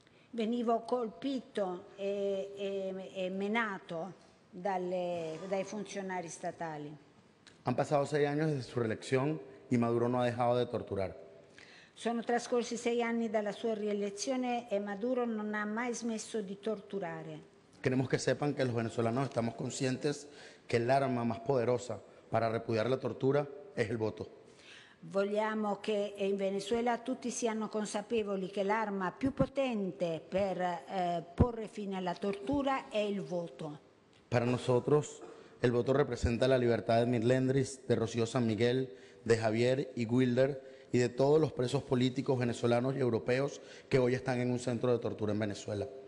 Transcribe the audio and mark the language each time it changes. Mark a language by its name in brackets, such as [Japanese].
[Italian] Venivo colpito e menato dai funzionari statali. [Spanish] Han pasado 6 años desde su reelección y Maduro no ha dejado de torturar. [Italian] Sono trascorsi 6 anni dalla sua rielezione e Maduro non ha mai smesso di torturare. [Spanish] Queremos que sepan que los venezolanos estamos conscientes que el arma más poderosa para repudiar la tortura es el voto. [Italian] Vogliamo che in Venezuela tutti siano consapevoli che l'arma più potente per porre fine alla tortura è il voto. [Spanish] Para nosotros el voto representa la libertad de Emir Lendris, de Rocío San Miguel, de Javier y Wilder y de todos los presos políticos venezolanos y europeos que hoy están en un centro de tortura en Venezuela.